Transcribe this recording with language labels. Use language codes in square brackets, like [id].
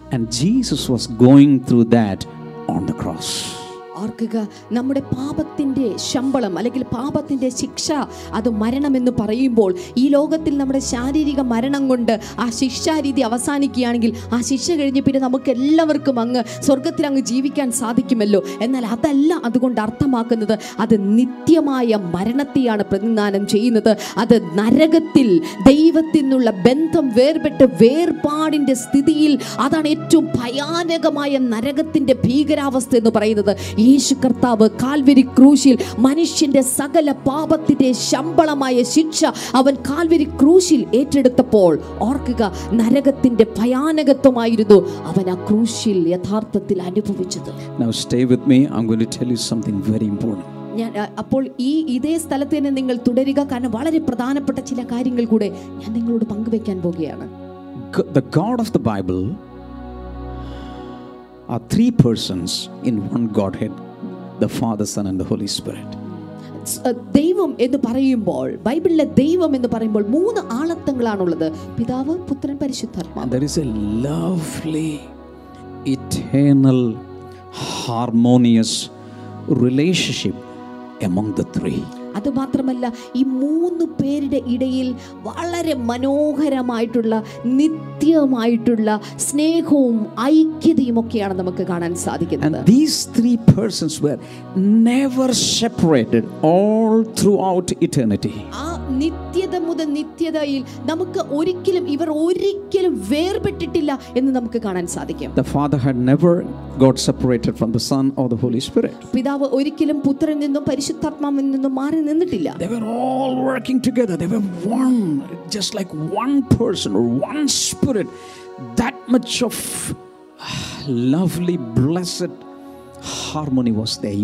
[en] And Jesus was going through that on the cross. [ml] നമ്മുടെ പാപത്തിന്റെ ശമ്പളം അല്ലെങ്കിൽ പാപത്തിന്റെ ശിക്ഷ അത് മരണം എന്ന് പറയുമ്പോൾ ഈ ലോകത്തിൽ നമ്മുടെ ശാരീരിക മരണം കൊണ്ട് ആ ശിക്ഷാരീതി അവസാനിക്കുകയാണെങ്കിൽ ആ ശിക്ഷ കഴിഞ്ഞ് പിന്നെ നമുക്ക് എല്ലാവർക്കും അങ്ങ് സ്വർഗത്തിൽ അങ്ങ് ജീവിക്കാൻ സാധിക്കുമല്ലോ. എന്നാൽ അതല്ല അതുകൊണ്ട് അർത്ഥമാക്കുന്നത്. അത് നിത്യമായ മരണത്തെയാണ് പ്രതിനിധാനം ചെയ്യുന്നത്. അത് നരകത്തിൽ ദൈവത്തിൽ നിന്നുള്ള ബന്ധം വേർപെട്ട് വേർപാടിന്റെ സ്ഥിതിയിൽ അതാണ് ഏറ്റവും ഭയാനകമായ നരകത്തിന്റെ ഭീകരാവസ്ഥ എന്ന് പറയുന്നത്. യേശു കർത്താവ് കാൽവരി ക്രൂശിൽ മനുഷ്യന്റെ സകല പാപത്തിന്റെ ശമ്പളമായ ശിക്ഷ അവൻ കാൽവരി ക്രൂശിൽ ഏറ്റെടുത്തപ്പോൾ ഓർക്കുക നരകത്തിന്റെ ഭയാനകത്വമായിരുന്നു അവൻ ആ ക്രൂശിൽ യഥാർത്ഥത്തിൽ അനുഭവിച്ചത്. [en] Now stay with me, I'm going to tell you something very important. [ml] ഞാൻ അപ്പോൾ ഈ ഇതേ സ്ഥലത്ത് തന്നെ നിങ്ങൾ തുടരുക, കാരണം വളരെ പ്രധാനപ്പെട്ട ചില കാര്യങ്ങൾ കൂടെ ഞാൻ നിങ്ങളോട് പങ്കുവെക്കാൻ പോവുകയാണ്. [en] The God of the Bible are three persons in one Godhead, the Father, Son, and the Holy Spirit. [ml] ദൈവം എന്ന് പറയുമ്പോൾ, ബൈബിളിലെ ദൈവം എന്ന് പറയുമ്പോൾ മൂന്ന് ആളത്വങ്ങളാണുള്ളത്, പിതാവ്, പുത്രൻ, പരിശുദ്ധാത്മാവ്. [en] There is a lovely, eternal, harmonious relationship among the three. [ml] അത് മാത്രമല്ല, ഈ മൂന്ന് പേരുടെ ഇടയിൽ വളരെ മനോഹരമായിട്ടുള്ള നിത്യമായിട്ടുള്ള സ്നേഹവും ഐക്യതയും ഒക്കെയാണ് നമുക്ക് കാണാൻ സാധിക്കുന്നത്. [en] And these three persons were never separated all throughout eternity. [ml] നിത്യത മുതൽ നിത്യതയിൽ നമുക്ക് ഒരിക്കലും ഇവർ ഒരിക്കലും വേർപെട്ടിട്ടില്ല എന്ന് നമുക്ക് കാണാൻ സാധിക്കും. [en] The Father had never got separated from the Son or the Holy Spirit. [ml] പിതാവ് ഒരിക്കലും പുത്രനിൽ നിന്നും പരിശുദ്ധാത്മാവിൽ നിന്നും മാറി നിന്നിട്ടില്ല. [en] They were all working together. They were one, just like one person or one spirit. That much of lovely, blessed harmony was there.